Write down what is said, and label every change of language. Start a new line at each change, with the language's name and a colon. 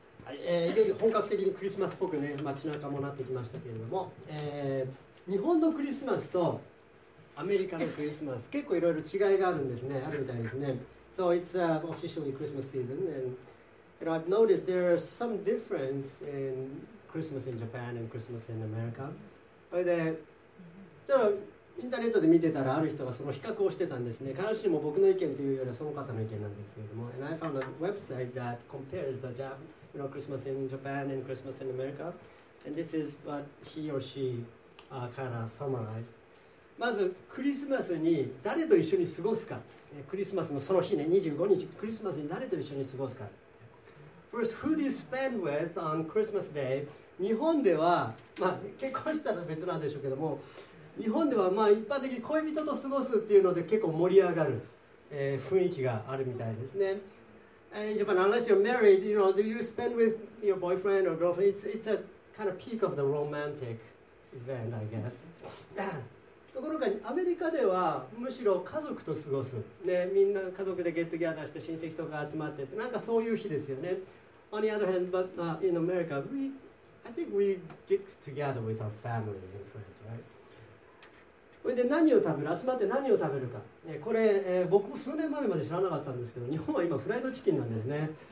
Japanese: いよいよ本格的にクリスマスっぽくね、街中もなってきましたけれども、日本のクリスマスとアメリカのクリスマス、結構いろいろ違いがあるんですね、あるみたいですね。
English: So it's officially Christmas season, and I've noticed there are some difference in Christmas in Japan and Christmas in America.
Japanese: それで、ちょっとインターネットで見てたら、ある人がその比較をしてたんですね。必ずしも僕の意見というよりはその方の意見なんですけれども。
English: And I found a website that compares the Japanese. You know, Christmas in Japan and Christmas in America. And this is what he or she kind of summarized.
Japanese: まず、クリスマスに誰と一緒に過ごすか。クリスマスのその日ね、25日、クリスマスに誰と一緒に過ごすか。
English: First, who do you spend with on Christmas Day?
Japanese: 日本では、まあ、結婚したら別なんでしょうけども、日本では、まあ、一般的に恋人と過ごすっていうので結構盛り上がる、雰囲気があるみたいですね。
English: In Japan, unless you're married, you know, do you spend with your boyfriend or girlfriend? It's a kind of peak of the romantic event, I guess.
Japanese: ところが、アメリカではむしろ家族と過ごす。ね、みんな家族でゲットギャザーして親戚とか集まってって、なんかそういう日ですよね。
English: On the other hand, but in America, I think we get together with our family and friends, right?
Japanese: これで何を食べる、集まって何を食べるか、これ、僕も数年前まで知らなかったんですけど、日本は今フライドチキンなんですね。